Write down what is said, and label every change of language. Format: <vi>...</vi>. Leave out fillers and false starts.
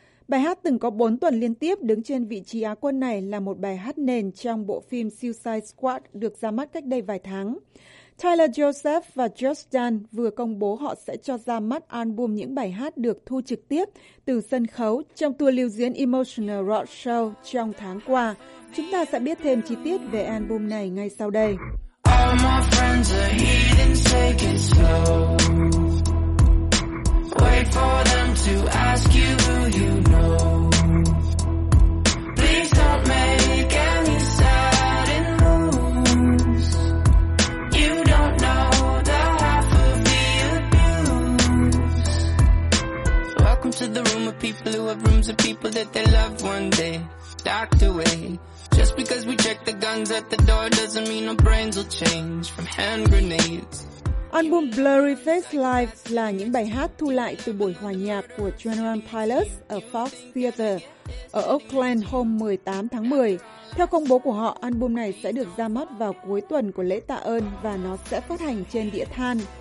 <vi>Bài hát từng có 4 tuần liên tiếp đứng trên vị trí á quân này là một bài hát nền trong bộ phim Suicide Squad được ra mắt cách đây vài tháng. Tyler Joseph và Josh Dunn vừa công bố họ sẽ cho ra mắt album những bài hát được thu trực tiếp từ sân khấu trong tour lưu diễn Emotional Rock Show trong tháng qua. Chúng ta sẽ biết thêm chi tiết về album này ngay sau đây.</vi> <en>All my friends are heathens, take it slow. Wait for them to ask you who you know. Please don't make any sudden moves. You don't know the half of the abuse. Welcome to the room of people who have rooms of people that they love one day. Docked away. Just because we check the guns at the door doesn't mean our brains will change from hand grenades.</en> <vi>Album Blurry Face Live là những bài hát thu lại từ buổi hòa nhạc của 21 Pilots ở Fox Theater ở Oakland hôm 18 tháng 10. Theo công bố của họ, album này sẽ được ra mắt vào cuối tuần của lễ tạ ơn và nó sẽ phát hành trên đĩa than.</vi>